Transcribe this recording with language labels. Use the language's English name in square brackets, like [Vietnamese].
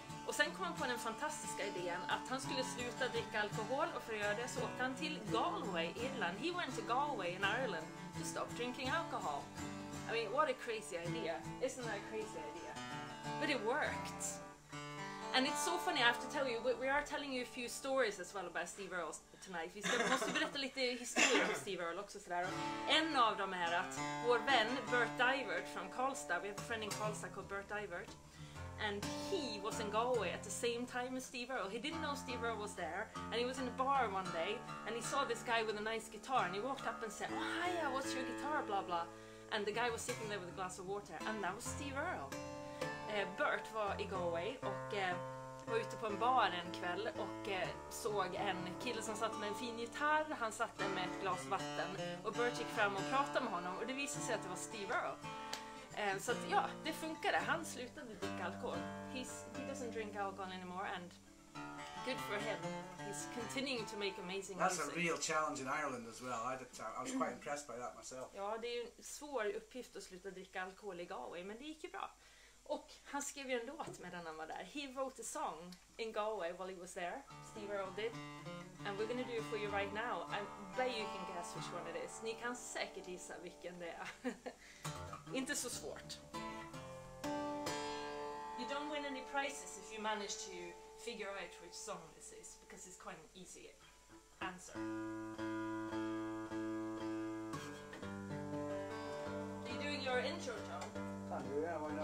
[Swedish] Och sen kom han på den fantastiska idén att han skulle sluta dricka alkohol, och för att göra det så åkte han till Galway, Irland. [English] He went to Galway in Ireland to stop drinking alcohol. I mean, what a crazy idea. Isn't that a crazy idea? But it worked. And it's so funny, I have to tell you, we are telling you a few stories as well about Steve Earle tonight. [Swedish] Vi måste berätta lite historier om Steve Earle också. Sådär. En av dem är att vår vän Bert Divert från Karlstad, [English] vi har en friend in Karlstad called Bert Divert, and he was in Galway at the same time as Steve Earle. He didn't know Steve Earle was there, and he was in a bar one day, and he saw this guy with a nice guitar, and he walked up and said, oh, hiya, what's your guitar, blah, blah. And the guy was sitting there with a glass of water, and that was Steve Earle. [Swedish] Bert var i Galway och var ute på en bar en kväll och såg en kille som satt med en fin gitarr. Han satt där med ett glas vatten och Bert gick fram och pratade med honom, och det visade sig att det var Steve Earle. Så att, ja, det funkade. Han slutade dricka alkohol. [English] He doesn't drink alcohol anymore, and good for him. He's continuing to make amazing That's music. That's a real challenge in Ireland as well. I was quite impressed by that myself. [Swedish] Ja, det är ju en svår uppgift att sluta dricka alkohol i Galway, men det gick ju bra. Och han skrev ju en låt medan han var där. [English] He wrote a song in Galway while he was there. Steve Earle did. And we're gonna do it for you right now. I bet you can guess which one it is. [Swedish] Ni kan säkert gissa vilken det är. Inte så svårt. [English] You don't win any prizes if you manage to figure out which song this is, because it's quite an easy answer. Are you doing your intro, John? Can do, yeah, why not?